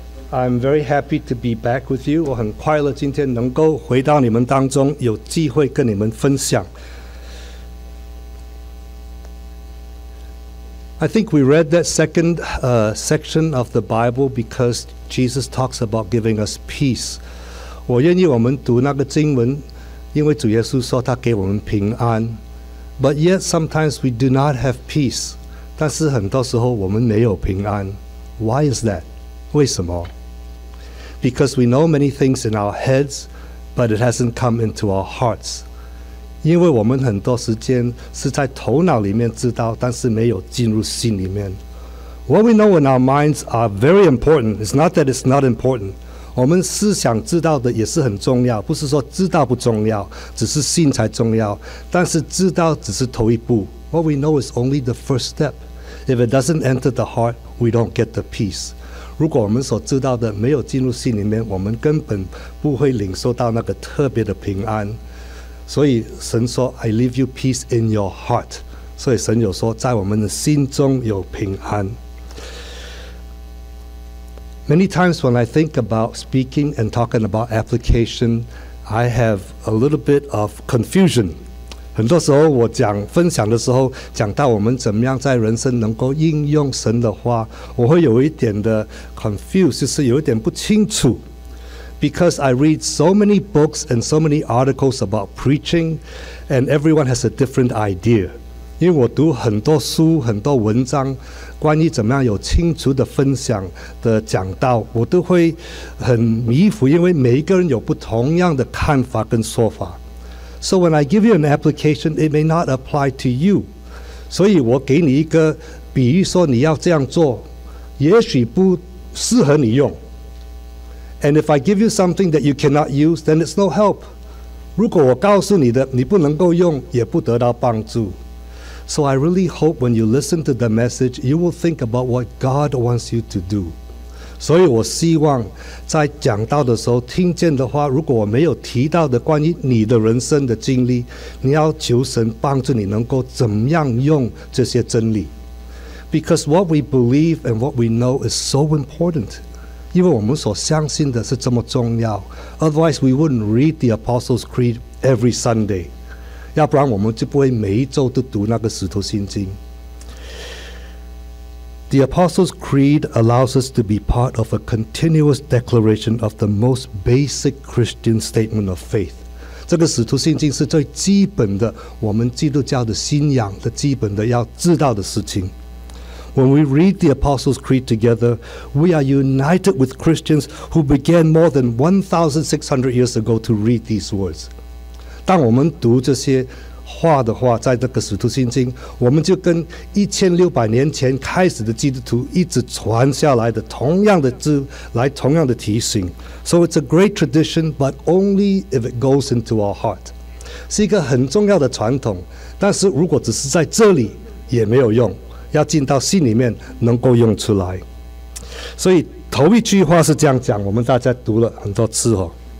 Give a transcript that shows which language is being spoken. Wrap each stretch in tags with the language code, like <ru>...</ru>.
<en>I'm very happy to be back with you.</en> <zh>我很快乐今天能够回到你们当中，有机会跟你们分享。</zh> <en>I think we read that second section of the Bible because Jesus talks about giving us peace.</en> <zh>我愿意我们读那个经文，因为主耶稣说他给我们平安。</zh> <en>But yet, sometimes we do not have peace.</en> <zh>但是很多时候我们没有平安。</zh> <en>Why is that?</en> <zh>为什么?</zh> <en>Because we know many things in our heads, but it hasn't come into our hearts.</en> <zh>因为我们很多时间是在头脑里面知道，但是没有进入心里面。</zh> <en>What we know in our minds are very important. It's not that it's not important.</en> <zh>我们思想知道的也是很重要，不是说知道不重要，只是信才重要。但是知道只是头一步。</zh> <en>What we know is only the first step. If it doesn't enter the heart, we don't get the peace.</en> <zh>如果我们所知道的没有进入心里面，我们根本不会领受到那个特别的平安。所以神说</zh> <en>I leave you peace in your heart.</en> <zh>所以神有说在我们的心中有平安。</zh> <en>Many times when I think about speaking and talking about application, I have a little bit of confusion.</en> <zh>很多时候我讲分享的时候，讲到我们怎么样在人生能够应用神的话，我会有一点的 confuse, 就是有一点不清楚。</zh> <en>Because I read so many books and so many articles about preaching, and everyone has a different idea.</en> <zh>因为我读很多书，很多文章关于怎么样有清楚的分享的讲道，我都会很迷糊，因为每一个人有不同样的看法跟说法。</zh> <en>So when I give you an application, it may not apply to you.</en> <zh>所以我给你一个比喻说你要这样做，也许不适合你用。</zh> <en>And if I give you something that you cannot use, then it's no help.</en> <zh>如果我告诉你的你不能够用，也不得到帮助。</zh> <en>So I really hope when you listen to the message, you will think about what God wants you to do.</en> <zh>所以我希望在讲到的时候听见的话，如果我没有提到的关于你的人生的经历，你要求神帮助你能够怎么样用这些真理。</zh> <en>Because what we believe and what we know is so important.</en> <zh>因为我们所相信的是这么重要。</zh> <en>Otherwise, we wouldn't read the Apostles' Creed every Sunday.</en> <zh>要不然我们就不会每一周都读那个使徒信经。</zh> <en>The Apostles' Creed allows us to be part of a continuous declaration of the most basic Christian statement of faith.</en> <zh>这个使徒信经是最基本的，我们基督教的信仰的基本的要知道的事情。</zh> <en>When we read the Apostles' Creed together, we are united with Christians who began more than 1,600 years ago to read these words.</en> <zh>当我们读这些话的话，在这个使徒信经，我们就跟1600年前开始的基督徒一直传下来的同样的字，来同样的提醒。</zh> <en>So it's a great tradition, but only if it goes into our heart.</en> <zh>是一个很重要的传统，但是如果只是在这里也没有用，要进到心里面能够用出来。所以头一句话是这样讲，我们大家读了很多次哦。</zh>